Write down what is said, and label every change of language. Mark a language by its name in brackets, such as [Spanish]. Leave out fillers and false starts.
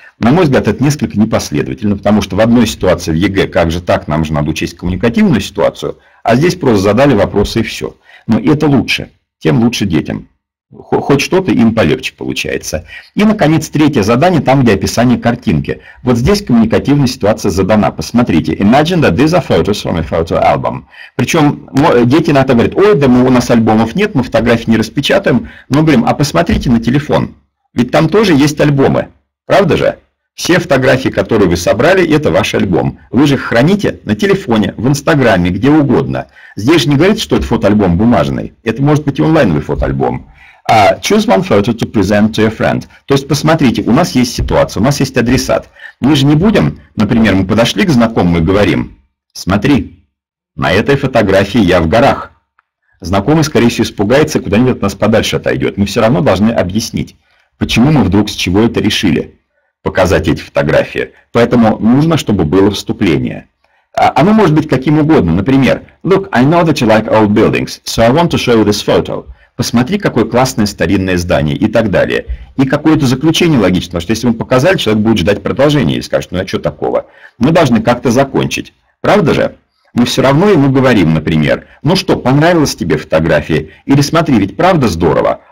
[Russian] На мой взгляд, это несколько непоследовательно, потому что в одной ситуации в ЕГЭ, как же так, нам же надо учесть коммуникативную ситуацию, а здесь просто задали вопросы и все. Но это лучше, тем лучше детям. Хоть что-то им полегче получается. И, наконец, третье задание, там, где описание картинки. Вот здесь коммуникативная ситуация задана. Посмотрите. [English] Imagine that these are photos from a photo album. [Russian] Причем дети иногда говорят, ой, да мы у нас альбомов нет, мы фотографии не распечатаем. Но говорим, а посмотрите на телефон. Ведь там тоже есть альбомы. Правда же? Все фотографии, которые вы собрали, это ваш альбом. Вы же их храните на телефоне, в Инстаграме, где угодно. Здесь же не говорится, что это фотоальбом бумажный. Это может быть и онлайновый фотоальбом. [English] Choose one photo to present to your friend. [Russian] То есть, посмотрите, у нас есть ситуация, у нас есть адресат. Мы же не будем, например, мы подошли к знакомому и говорим, смотри, на этой фотографии я в горах. Знакомый, скорее всего, испугается и куда-нибудь от нас подальше отойдет. Мы все равно должны объяснить, почему мы вдруг с чего это решили показать эти фотографии. Поэтому нужно, чтобы было вступление. Оно может быть каким угодно. Например, [English] look, I know that you like old buildings, so I want to show you this photo. [Russian] Посмотри, какое классное старинное здание и так далее. И какое-то заключение логично, потому что если мы показали, человек будет ждать продолжения и скажет, ну а что такого? Мы должны как-то закончить. Правда же? Мы все равно ему говорим, например, ну что, понравилась тебе фотография? Или смотри, ведь правда здорово?